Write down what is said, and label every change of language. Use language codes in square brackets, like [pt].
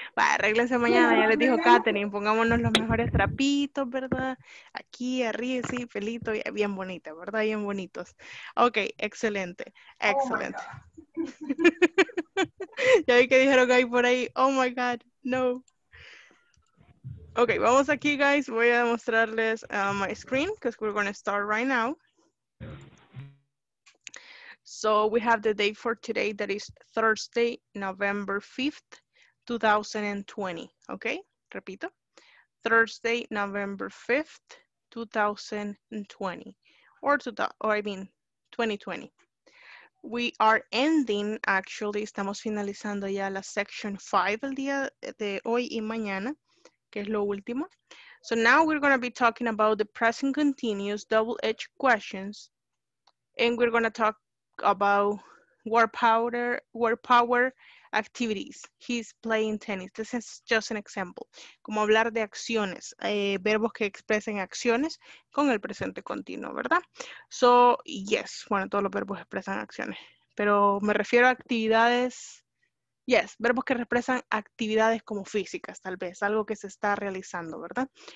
[es] Va, arréglense mañana, ya les dijo Katherine, pongámonos los mejores trapitos, ¿verdad? Aquí, arriba, sí, pelito, bien bonita, ¿verdad? Bien bonitos. Ok, excelente, excelente. Oh, ya vi que dijeron que hay por ahí, [en] oh my God, [es] no. Okay, vamos aquí, guys. Voy a mostrarles [en] my screen because we're going to start right now. So we have the date for today. That is Thursday, November 5th, 2020. Okay, repito. Thursday, November 5th, 2020. Or 2020. We are ending, actually. [es] Estamos finalizando ya la section 5 el día de hoy y mañana. Que es lo último. [en] So now we're going to be talking about the present continuous double edge questions. And we're going to talk about word power activities. He's playing tennis. This is just an example. [es] Como hablar de acciones, verbos que expresen acciones con el presente continuo, ¿verdad? [en] So, yes. [es] Bueno, todos los verbos expresan acciones. Pero me refiero a actividades. Yes, verbos que expresan actividades como físicas, tal vez, algo que se está realizando, ¿verdad?